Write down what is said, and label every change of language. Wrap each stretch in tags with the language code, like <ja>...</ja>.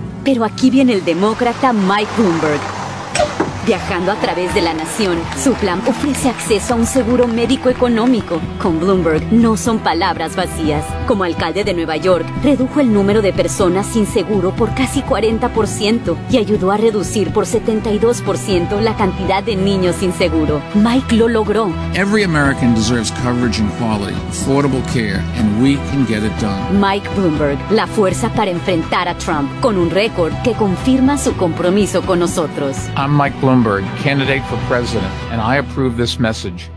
<es>Pero aquí viene el demócrata Mike Bloomberg. Viajando a través de la nación, su plan ofrece acceso a un seguro médico económico. Con Bloomberg, no son palabras vacías. Como alcalde de Nueva York, redujo el número de personas sin seguro por casi 40% y ayudó a reducir por 72% la cantidad de niños sin seguro. Mike lo logró.</es> <en>Every American deserves coverage and quality, affordable care, and we can get it done.</en> <es>Mike Bloomberg, la fuerza para enfrentar a Trump, con un récord que confirma su compromiso con nosotros.</es> <en>I'm Mike Bloomberg, candidate for president, and I approve this message.</en>